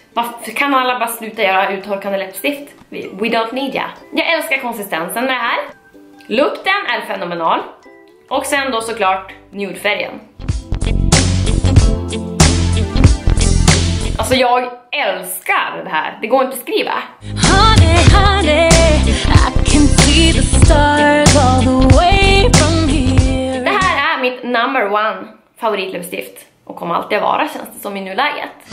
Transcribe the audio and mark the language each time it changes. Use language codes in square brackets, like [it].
[sv] Varför kan alla bara sluta göra uttorkande läppstift? [en] We don't need ya. [sv] Jag älskar konsistensen med det här. Lukten är fenomenal. Och sen då såklart nudefärgen. Alltså jag älskar det här. Det går inte att skriva. [en] Honey, honey, I can see the stars all the way from here. [sv] Det här är mitt [en] number one [sv] favoritläppstift. Och kommer alltid vara, känns det som i nuläget.